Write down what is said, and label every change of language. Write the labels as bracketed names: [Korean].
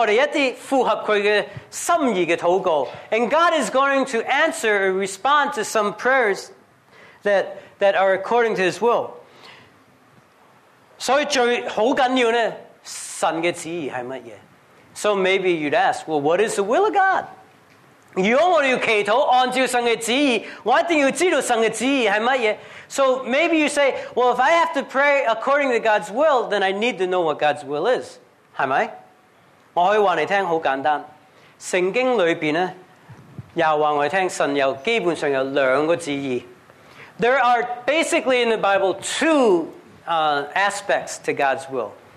[Chinese] 神是要听我们一些符合祂的心意的祷告, [English] and God is going to answer or respond to some prayers that are according to His will. [Chinese] 所以最重要的, 神的旨意是什么? [English] So maybe you'd ask, well, what is the will of God? [Chinese] 如果我们要祈祷按照神的旨意, 我一定要知道神的旨意是什么? [English] So maybe you say, well, if I have to pray according to God's will, then I need to know what God's will is. [Chinese] 是不是? 我可以告诉你很简单, 圣经里面呢, 又告诉我们, 神有基本上有两个旨意。 [English] There are basically in the Bible two aspects to God's will.